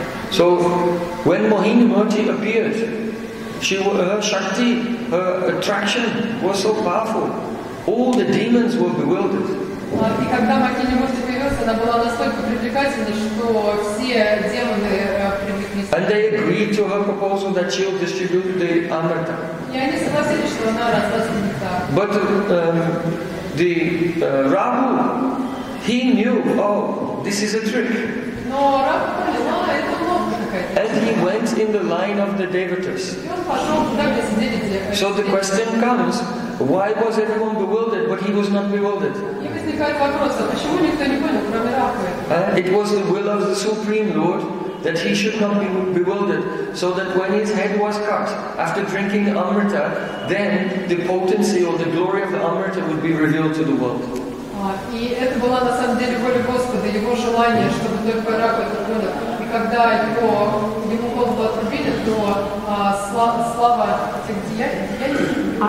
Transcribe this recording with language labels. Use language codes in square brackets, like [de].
[en] So, when Mohini Murti appeared, her shakti, her attraction was so powerful, all the demons were bewildered. [ru] И когда Махини Мурти появилась, она была настолько привлекательной, что все демоны привлеклись. [en] And they agreed to her proposal that she would distribute the amrita. [ru] И они согласились, что она раздаст нектар. [en] But Рабху, he knew, oh, this is a trick. [ru] Но Рабху поняла, это ловушка какая-то. [en] And he went in the line of the devatas. [ru] И он пошел туда, где сидели те. [en] So the question comes, why was everyone bewildered, but he was not bewildered? It was the will of the Supreme Lord that he should not be bewildered, so that when his head was cut after drinking Amrita, then the potency or the glory of the Amrita would be revealed to the world. [ru] И это была на самом деле воля Господа, его желание, чтобы только рак это было. И когда ему голову отрубили, то слава этих деяний.